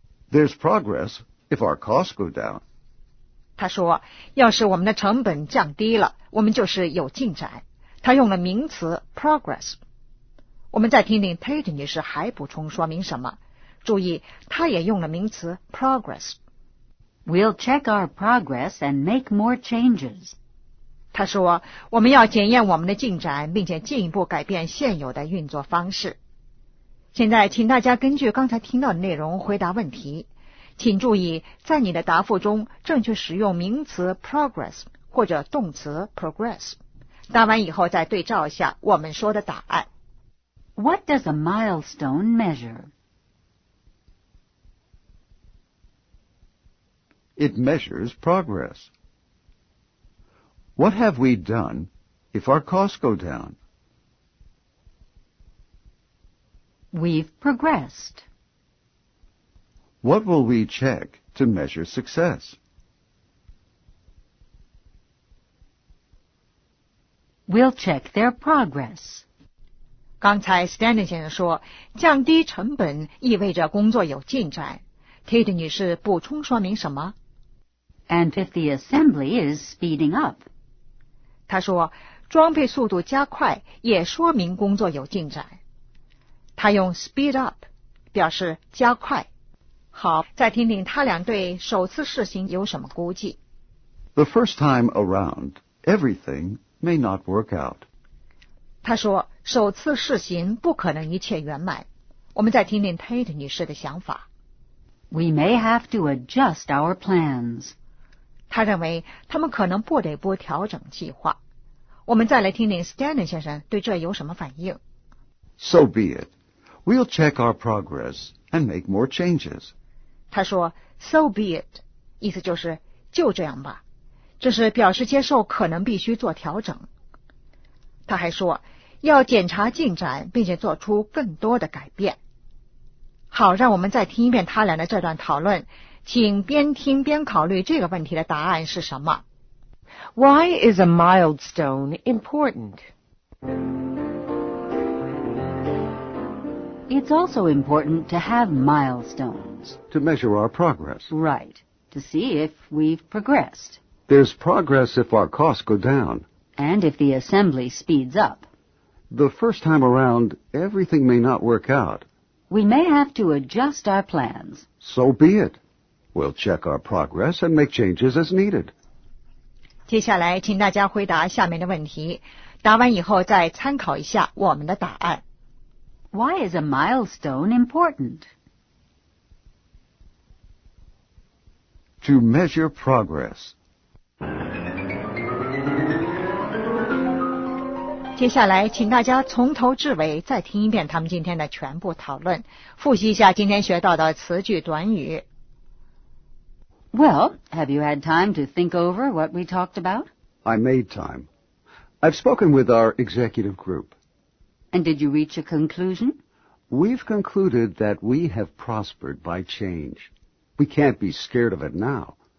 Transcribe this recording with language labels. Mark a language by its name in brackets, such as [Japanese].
[English] There's progress if our costs go down. [Chinese] 他说，要是我们的成本降低了，我们就是有进展。他用了名词 progress。我们再听听 Tate 女士还补充说明什么。注意，她也用了名词 progress。 [English] We'll check our progress and make more changes. [Chinese] 他说，我们要检验我们的进展，并且进一步改变现有的运作方式。现在请大家根据刚才听到的内容回答问题，请注意在你的答复中正确使用名词 progress 或者动词 progress。答完以后再对照一下我们说的答案。 [English] What does a milestone measure? It measures progress. What have we done if our costs go down We've progressed. What will we check to measure success? We'll check their progress. [Chinese] 刚才 Stanton 先生说，降低成本意味着工作有进展。 Kate 女士补充说明什么？ [English] And if the assembly is speeding up. [Chinese] 她说，装配速度加快也说明工作有进展。他用 speed up 表示加快。好，再听听他俩对首次试行有什么估计。 [English] The first time around, everything may not work out. [Chinese] 他说首次试行不可能一切圆满。我们再听听 Tate 女士的想法。 [English] We may have to adjust our plans. [Chinese] 他认为他们可能不得不调整计划。我们再来听听 Stanton 先生对这有什么反应。 [English] So be it. We'll check our progress and make more changes. [Chinese] 他说 [English] so be it, [Chinese] 意思就是就这样吧。这是表示接受可能必须做调整。他还说，要检查进展，并且做出更多的改变。好，让我们再听一遍他俩的这段讨论，请边听边考虑这个问题的答案是什么。 [English] Why is a milestone important? It's also important to have milestones. To measure our progress. Right, to see if we've progressed. There's progress if our costs go down. And if the assembly speeds up. The first time around, everything may not work out. We may have to adjust our plans. So be it. We'll check our progress and make changes as needed. [Chinese] 接下来请大家回答下面的问题，答完以后再参考一下我们的答案。 [English] Why is a milestone important? To measure progress. [Chinese] 接下来请大家从头至尾再听一遍他们今天的全部讨论，复习一下今天学到的词句短语。 [English] Well, have you had time to think over what we talked about? I made time. I've spoken with our executive group. And did you reach a conclusion? We've concluded that we have prospered by change. We can't be scared of it now.